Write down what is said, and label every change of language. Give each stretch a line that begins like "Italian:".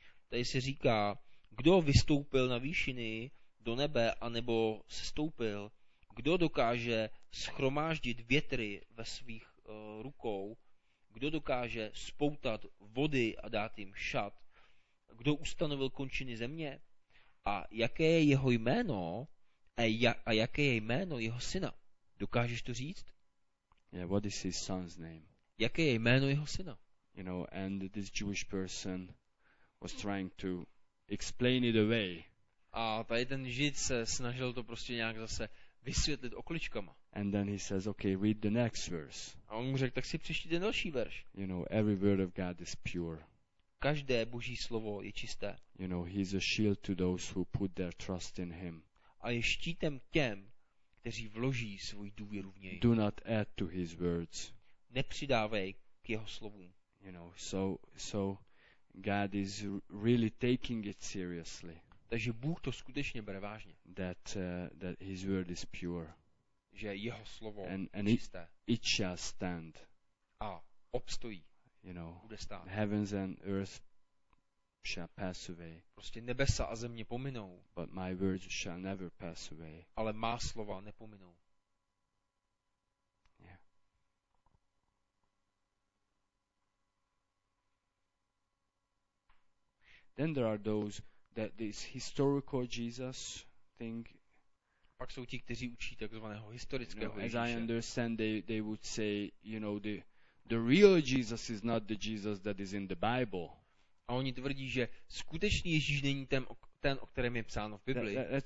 Czech: Tady se říká, kdo vystoupil na výšiny do nebe, anebo sestoupil, kdo dokáže schromáždit větry ve svých rukou, kdo dokáže spoutat vody a dát jim šat, kdo ustanovil končiny země a jaké je jeho jméno a jaké je jméno jeho syna. Dokážeš to říct?
English: Yeah, what is his son's name?
Czech: Jaké je jméno jeho syna?
English: You know, and this Jewish person was trying to explain it away.
Czech: A tady ten Žid se snažil to prostě nějak zase vysvětlit okličkama.
English: And then he says, okay, read the next verse.
Czech: A on mu řekl, tak si přečti ten další verš.
English: You know, every word of God is pure.
Czech: Každé Boží slovo je čisté.
English: You know, he's a shield to those who put their trust in him.
Czech: A je štítem těm, kteří vloží svůj důvěru v něj.
English: Do not add to his words.
Czech: Nepřidávej k jeho slovům.
English: You know, so God is really taking it seriously.
Czech: Takže Bůh to skutečně bere vážně.
English: That his word is pure.
Czech: Že jeho slovo
English: and
Czech: je čisté.
English: It shall stand.
Czech: A obstojí.
English: You know,
Czech: bude stát.
English: Heavens and earth shall pass away.
Czech: Prostě nebesa a země pominou.
English: But my words shall never pass away.
Czech: Ale má slova nepominou.
English: Then there are those that this historical Jesus thing.
Czech: Pak jsou ti, kteří učí takzvaného historického
English: Ježíše. As I understand, they would say, you know, the real Jesus is not the Jesus that is in the Bible.
Czech: A oni tvrdí, že skutečný Ježíš není ten, o kterém je psáno v Biblii.